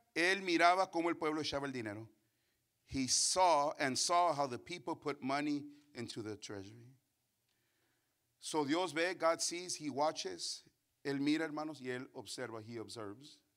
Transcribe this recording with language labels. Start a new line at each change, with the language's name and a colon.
Spanish: Él miraba cómo el pueblo echaba el dinero.
English: He saw how the people put money into the treasury. So,
Spanish: Dios ve,
English: God sees, he watches.
Spanish: Él mira, hermanos, y él observa,
English: he observes.